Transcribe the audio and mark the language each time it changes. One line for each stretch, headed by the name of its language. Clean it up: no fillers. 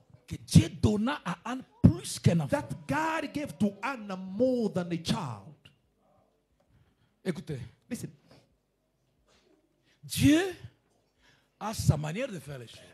French: Que Dieu donna à Anne plus qu'un enfant.
English: That God gave to Anna more than a child.
French: Écoutez,
English: listen.
French: Dieu a sa manière de faire les choses.